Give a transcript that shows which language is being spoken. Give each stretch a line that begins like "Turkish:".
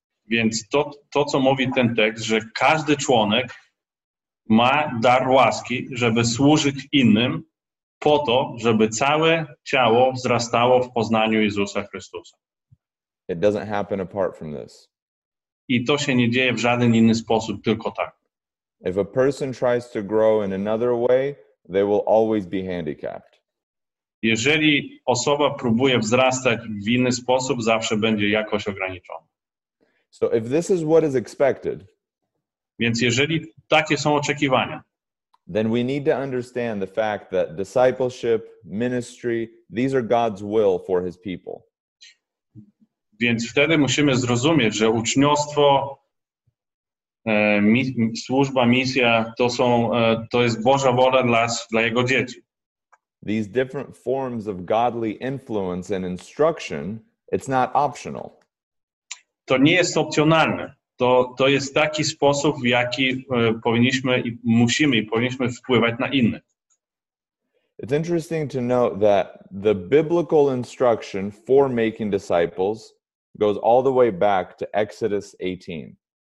Polish: Więc to co mówi ten tekst, że każdy członek ma dar łaski, żeby służyć innym po to, żeby całe ciało wzrastało w poznaniu Jezusa Chrystusa.
English: It doesn't happen apart from this.
Polish: I to się nie dzieje w żaden inny sposób, tylko tak.
English: If a person tries to grow in another way, they will always be handicapped.
Polish: Jeżeli osoba próbuje wzrastać w inny sposób, zawsze będzie jakoś ograniczona.
English: So if this is what is expected,
Polish: więc jeżeli takie są oczekiwania,
English: then we need to understand the fact that discipleship, ministry, these are God's will for his people.
Polish: Więc wtedy musimy zrozumieć, że uczniostwo, służba, misja, to jest Boża wola dla jego dzieci.
English: These different forms of godly influence and instruction, it's not optional.
Polish: To nie jest opcjonalne. To jest taki sposób, w jaki powinniśmy wpływać na innych.
English: It's interesting to note that the biblical instruction for making disciples goes all the way back to Exodus 18.